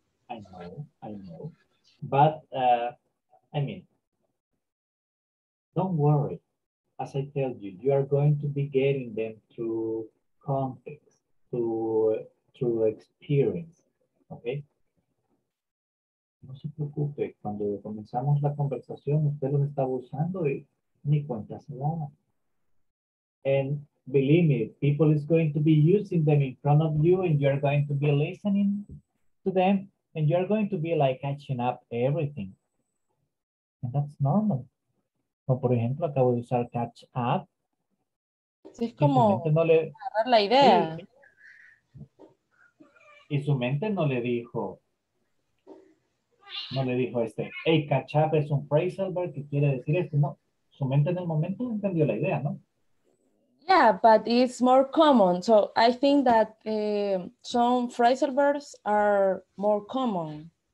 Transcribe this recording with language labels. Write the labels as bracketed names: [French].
[English] I know. But I mean, don't worry. As I tell you, you are going to be getting them through context, through experience, okay? [Spanish] No se preocupe. Cuando comenzamos la conversación, usted los estaba usando y ni cuenta se daba. [English] And believe me, people is going to be using them in front of you, and you're going to be listening to them. And you're going to be like catching up everything. And that's normal. [Spanish] O por ejemplo, acabo de usar catch up. Sí, es como agarrar la idea. Y su mente no le dijo este, hey, catch up es un phrasal verb que quiere decir esto. No, su mente en el momento entendió la idea, ¿no? [English] Yeah, but it's more common. So I think that some phrasal verbs are more common.